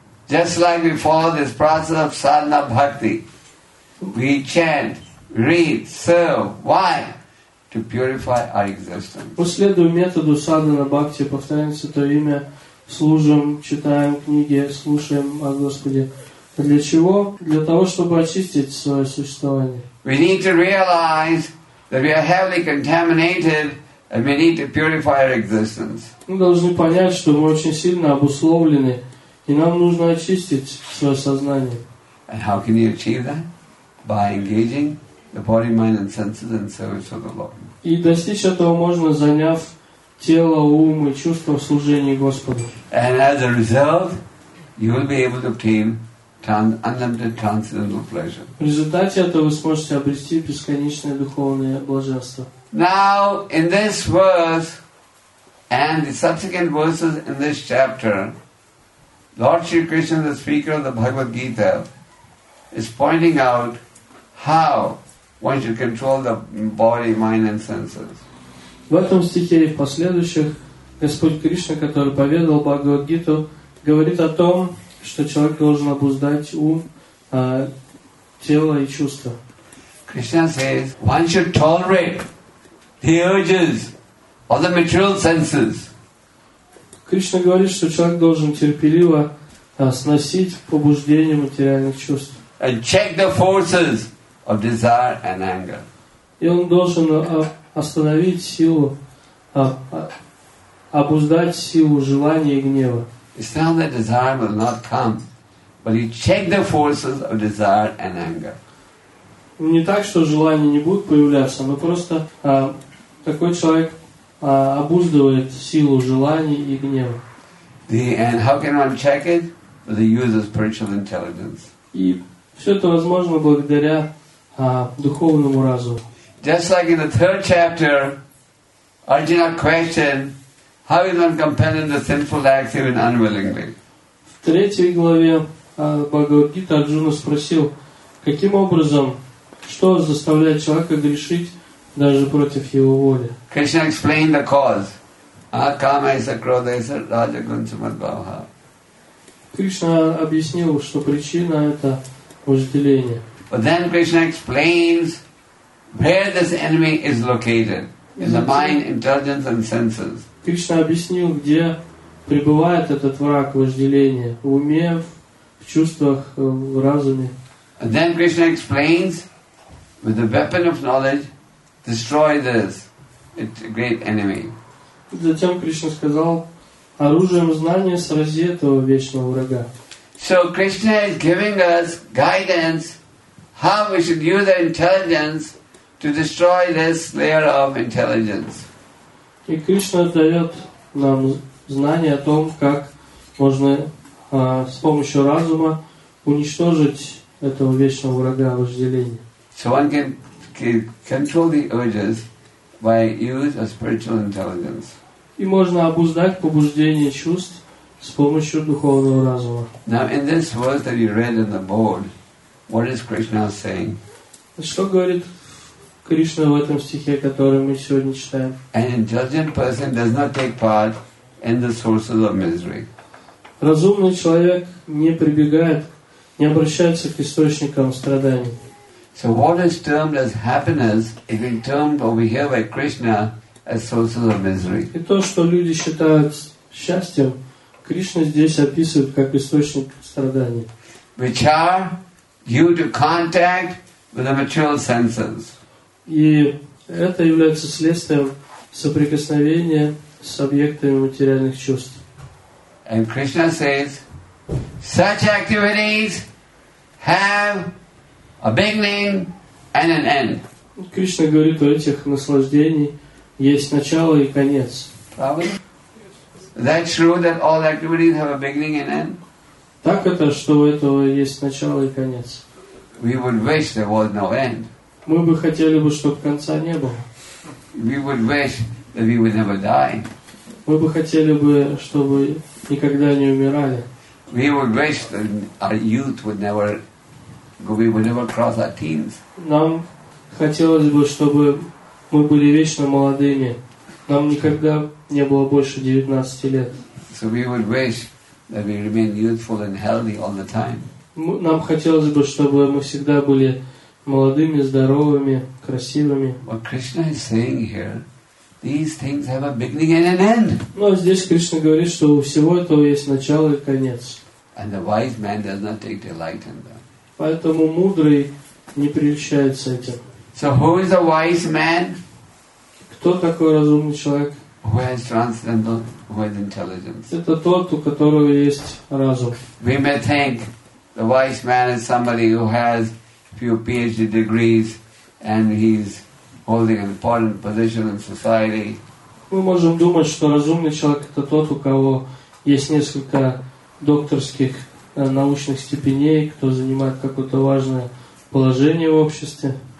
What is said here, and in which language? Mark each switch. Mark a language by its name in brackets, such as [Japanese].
[English] Just like we follow this process of sadhana bhakti, we chant, read, serve. Why? To purify our existence. [Russian] Мы следуем методу садхана бхакти, повторяем святое имя, служим, читаем книги, слушаем о Господе. Для чего? Для того, чтобы очистить свое существование. [English] We need to realize that we are heavily contaminated and we need to purify our existence. [Russian] Мы должны понять, что мы очень сильно обусловлены, и нам нужно очистить свое сознание. [English] And how can you achieve that? By engaging the body, mind and senses in service of the Lord. [Russian] И достичь этого можно, заняв тело, ум и чувства в служении Господу. [English] And as a result, you will be able to obtain unlimited transcendental pleasure. [Russian] В результате этого вы сможете обрести бесконечное духовное блаженство. [English] Now, in this verse and the subsequent verses in this chapter, Lord Sri Krishna, the speaker of the Bhagavad Gita, is pointing out how one should control the body, mind and senses. [Russian] В этом стихе и в последующих Господь Кришна, который поведал Бхагавад-гиту, говорит о том, что человек должен обуздать ум, тело и чувства. [English] Krishna says, one should tolerate the urges of the material senses. [Russian] Кришна говорит, что человек должен терпеливо сносить побуждения материальных чувств. [English] And check the forces of desire and anger. [Russian] И он должен остановить силу, обуздать силу желания и гнева. [English] It's not that desire will not come, but you check the forces of desire and anger. [Russian] Не так, что желания не будут появляться, но просто такой человек обуздывает силу желаний и гнева. [English] And how can one check it? With the use of spiritual intelligence. [Russian] И все это возможно благодаря духовному разуму. [English] Just like in the third chapter, Arjuna questioned, how is one compelled into sinful acts even unwillingly? [Russian] В третьей главе Бхагавад-гиты Арджуна спросил, каким образом, что заставляет человека грешить даже против его воли? [English] Krishna explained the cause. [Sanskrit] Akamaisa krodaisa rajagunsumadbhavaha. [Russian] Кришна объяснил, что причина – это вожделение. [English] But then Krishna explains where this enemy is located, in the mind, intelligence and senses. [Russian] Кришна объяснил, где пребывает этот враг вожделения, в уме, в чувствах, в разуме. [English] And then Krishna explains, with the weapon of knowledge, destroy this, it's a great enemy. [Russian] Затем Кришна сказал, оружием знания срази этого вечного врага. [English] So Krishna is giving us guidance how we should use our intelligence to destroy this layer of intelligence. [Russian] И Кришна дает нам знание о том, как можно с помощью разума уничтожить этого вечного врага вожделения. [English] So one can control the urges by use of spiritual intelligence. [Russian] И можно обуздать побуждение чувств с помощью духовного разума. [English] Now in this verse that you read in the board, what is Krishna saying? [Russian] Что говорит Кришна в этом стихе, который мы сегодня читаем? [English] An intelligent person does not take part in the sources of misery. [Russian] Разумный человек не прибегает, не обращается к источникам страданий. [English] So what is termed as happiness is termed over here by Krishna as sources of misery. [Russian] И то, что люди считают счастьем, Кришна здесь описывает как источник страданий. [English] Which are due to contact with the material senses. [Russian] И это является следствием соприкосновения с объектами материальных чувств. [English] And Krishna says, such activities have a beginning and an end. [Russian] Кришна говорит о этих наслаждений. Есть начало и конец. Правда? [English] Is that true that all activities have a beginning and end? [Russian] Так это, что у этого есть начало и конец. [English] We would wish there was no end. [Russian] Мы бы хотели бы, чтобы конца не было. [English] We would wish that we would never die. [Russian] Мы бы хотели бы, чтобы никогда не умирали. [English] We would wish that our youth would never, we would never cross our teens. [Russian] Нам хотелось бы, чтобы мы были вечно молодыми. Нам никогда не было больше 19 лет. [English] So we would wish that we remain youthful and healthy all the time. [Russian] Нам хотелось бы, чтобы мы всегда были молодыми, здоровыми, красивыми. [English] What Krishna is saying here, these things have a beginning and an end. [Russian] Но здесь Кришна говорит, что у всего этого есть начало и конец. [English] And the wise man does not take delight in them. [Russian] Поэтому мудрый не прельщается этим. [English] So who is a wise man? [Russian] Кто такой разумный человек? [English] Who has transcendental, who has intelligence? [Russian] Это тот, у которого есть разум. [English] We may think the wise man is somebody who has few PhD degrees and he's holding an important position in society. [Russian] Мы можем думать, что разумный человек это тот, у кого есть несколько докторских научных степеней, кто занимает какое-то важное положение в обществе.